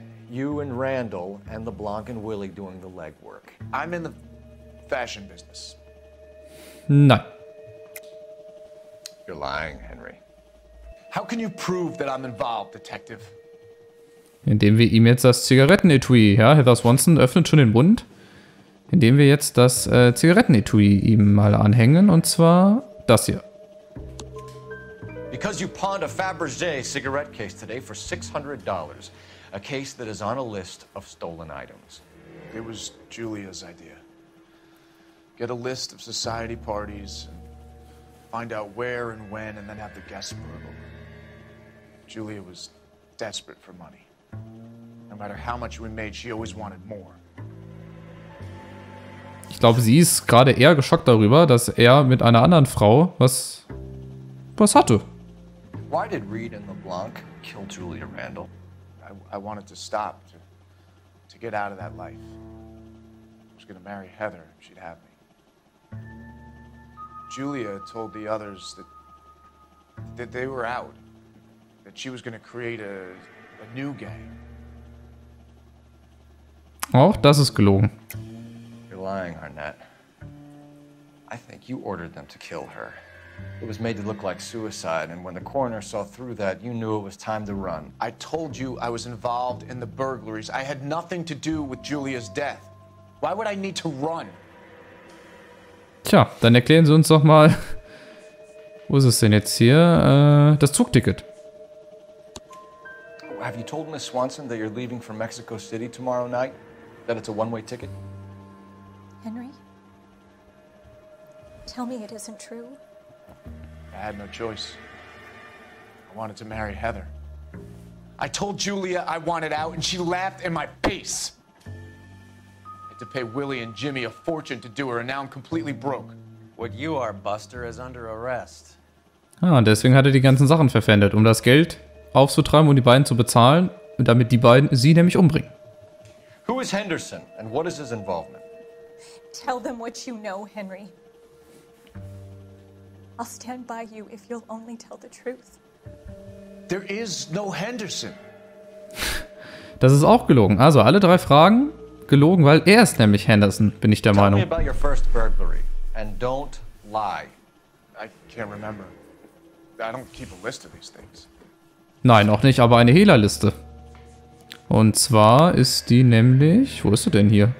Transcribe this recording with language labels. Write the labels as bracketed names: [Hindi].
[English] You and Randall and LeBlanc and Willie doing the legwork. I'm in the fashion business. [German] Nein. [English] You're lying, Henry. How can you prove that I'm involved, Detective? [German] Indem wir ihm jetzt das Zigarettenetui, ja, Heather Swanson öffnet schon den Mund. Indem wir jetzt das Zigarettenetui ihm mal anhängen, und zwar das hier. [English] Because you pawned a Fabergé cigarette case today for $600, a case that is on a list of stolen items. It was Julia's idea. Get a list of society parties and find out where and when and then have the guests brought over. Julia was desperate for money. No matter how much we made, she always wanted more. [German] Ich glaube, sie ist gerade eher geschockt darüber, dass er mit einer anderen Frau was hatte. [English] Why did Reed and LeBlanc kill Julia Randall? I wanted to stop, to get out of that life. I was gonna marry Heather if she'd have me. Julia told the others that they were out, that she was going to create a new gang. [German] Auch das ist gelogen. [English] You're You're lying, Arnett. I think you ordered them to kill her. It was made to look like suicide, and when the coroner saw through that, you knew it was time to run. I told you I was involved in the burglaries. I had nothing to do with Julia's death. Why would I need to run? [German] Tja, dann erklären Sie uns doch mal, wo ist es denn jetzt hier? Das Zugticket. [English] Have you told Miss Swanson that you're leaving for Mexico City tomorrow night? That it's a one-way ticket? Henry? Tell me it isn't true. I had no choice. I wanted to marry Heather. I told Julia I wanted out, and she laughed in my face. I had to pay Willie and Jimmy a fortune to do her, and now I'm completely broke. What you are, Buster, is under arrest. [German] Ah, deswegen hat er die ganzen Sachen verpfändet, um das Geld aufzutreiben und die beiden zu bezahlen, und damit die beiden sie nämlich umbringen. [English] Who is Henderson, and what is his involvement? Tell them what you know, Henry. I'll stand by you if you'll only tell the truth. There is no Henderson. [German] Das ist auch gelogen. Also alle drei Fragen gelogen, weil er ist nämlich Henderson, bin ich der [English] tell [German] Meinung. [English] Tell me about your first burglary and don't lie. I can't remember. I don't keep a list of these things. [German] Nein, auch nicht, aber eine Hehlerliste. Und zwar ist die nämlich, wo ist sie denn hier?